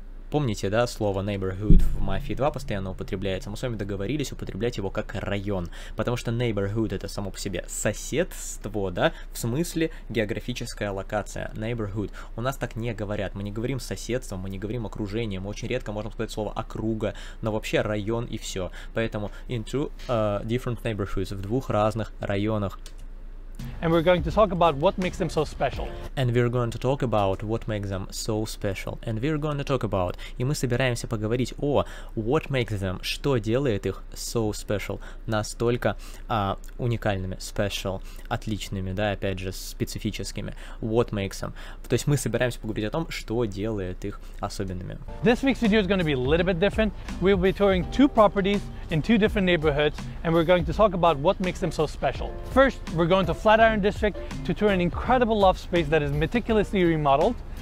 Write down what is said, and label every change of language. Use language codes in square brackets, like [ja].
[ru] Помните, да, слово neighborhood в Мафии 2 постоянно употребляется. Мы с вами договорились употреблять его как район, потому что neighborhood — это само по себе соседство, да, в смысле географическая локация, neighborhood. У нас так не говорят, мы не говорим соседство, мы не говорим окружение, мы очень редко можем сказать слово округа, но вообще район и все. Поэтому [en] in two different neighborhoods, [ru] в двух разных районах. [en] And we're going to talk about what makes them so special. And we're going to talk about what makes them so special. And we're going to talk about. [ru] И мы собираемся поговорить о [en] what makes them, [ru] что делает их [en] so special, [ru] настолько уникальными, special, отличными, да, опять же, специфическими. [en] What makes them. [ru] То есть мы собираемся поговорить о том, что делает их особенными. [en] This week's video is going to be a little bit different. We'll be touring two properties in two different neighborhoods, and we're going to talk about what makes them so special. First, we're going to Flatiron District to tour an incredible loft space that is meticulously remodeled.